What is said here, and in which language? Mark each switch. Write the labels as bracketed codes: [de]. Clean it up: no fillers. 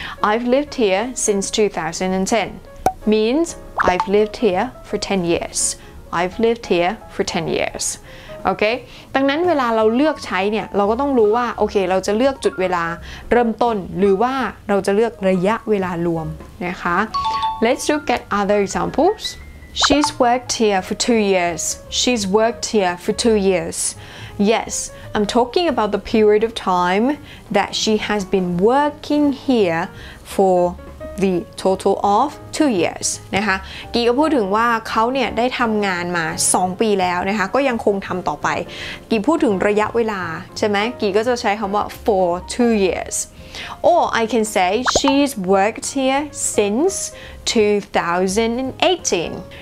[en] I've lived here since 2010 means I've lived here for 10 years I've lived here for 10 years okay [th] ดังนั้นเวลาเราเลือกใช้เนี่ยเราก็ต้องรู้ว่าโอเคเราจะเลือกจุดเวลาเริ่มต้นหรือว่าเราจะเลือกระยะเวลารวมนะคะ [en] Let's look at other examples. She's worked here for 2 years. She's worked here for 2 years. Yes, I'm talking about the period of time that she has been working here for the total of 2 years. [th] นะคะกี่ก็พูดถึงว่าเขาเนี่ยได้ทำงานมา2ปีแล้วนะคะก็ยังคงทำต่อไปกี่พูดถึงระยะเวลาใช่ไหมกี่ก็จะใช้คำว่า for 2 years. [en] Or I can say she's worked here since 2018.